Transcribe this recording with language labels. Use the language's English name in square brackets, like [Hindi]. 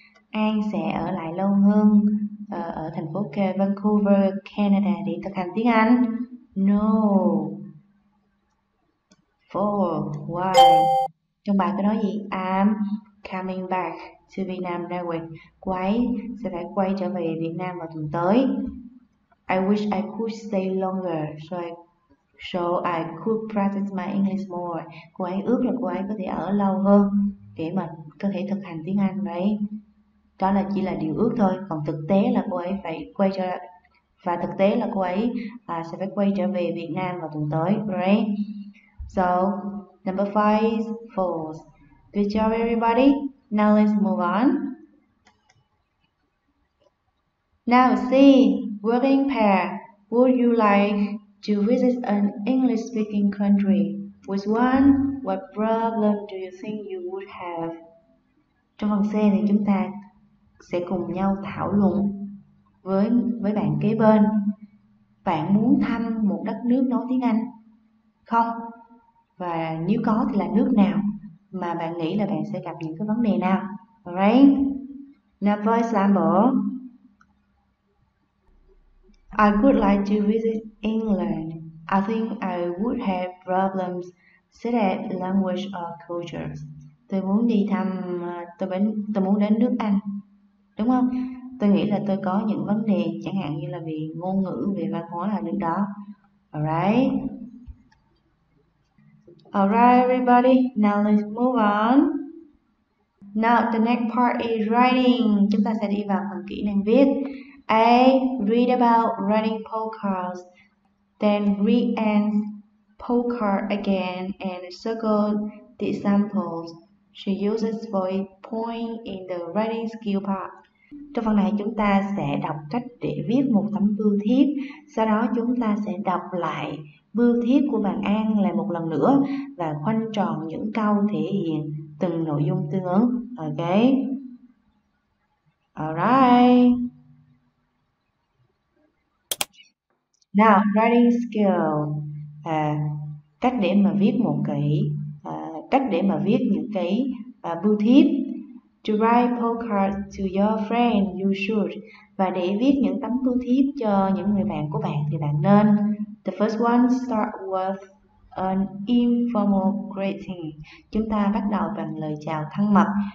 [Vietnamese] Anne sẽ ở lại lâu hơn ở thành phố Vancouver, Canada để thực hành tiếng Anh. No. [English] For, why? [Vietnamese] Trong bài có nói gì? [English] I'm coming back to Vietnam now. [Vietnamese] Quay, sẽ phải quay trở về Việt Nam vào tuần tới. [English] I wish I could stay longer so I could practice my English more. [Vietnamese] Cô ấy ước là cô ấy có thể ở lâu hơn để mà có thể thực hành tiếng Anh đấy. Đó là chỉ là điều ước thôi, còn thực tế là cô ấy phải quay trở lại, và thực tế là cô ấy sẽ phải quay trở về Việt Nam vào tuần tới, right? [English] So, number five is false. Good job, everybody. Now let's move on. Now, C, working pair. Would you like to visit an English-speaking country? Which one? What problem do you think you would have? [Vietnamese] Trong phần C thì chúng ta sẽ cùng nhau thảo luận với bạn kế bên. Bạn muốn thăm một đất nước nói tiếng Anh không? Và nếu có thì là nước nào mà bạn nghĩ là bạn sẽ gặp những cái vấn đề nào? [English] Alright. Now for example, I would like to visit England. I think I would have problems with language or cultures. [Vietnamese] Tôi muốn đi thăm, tôi muốn đến nước Anh. Đúng không? Tôi nghĩ là tôi có những vấn đề chẳng hạn như là về ngôn ngữ, về văn hóa là nước đó. Alright. [English] Alright, everybody, now let's move on. Now, the next part is writing. [Vietnamese] Chúng ta sẽ đi vào phần kỹ năng viết. [English] A. Read about writing postcards. Then read and postcard again and circle the samples she uses for a point in the writing skill part. [Vietnamese] Trong phần này chúng ta sẽ đọc cách để viết một tấm bưu thiếp. Sau đó chúng ta sẽ đọc lại bưu thiếp của bạn An lại một lần nữa và khoanh tròn những câu thể hiện từng nội dung tương ứng. Ok. [English] Alright. Now, writing skill. [Vietnamese] Cách để mà viết một cái cách để mà viết những cái bưu thiếp. [English] To write postcards to your friend, you should. [Vietnamese] Và để viết những tấm bưu thiếp cho những người bạn của bạn thì bạn nên. [English] The first one start with an informal greeting. [Vietnamese] Chúng ta bắt đầu bằng lời chào thân mật.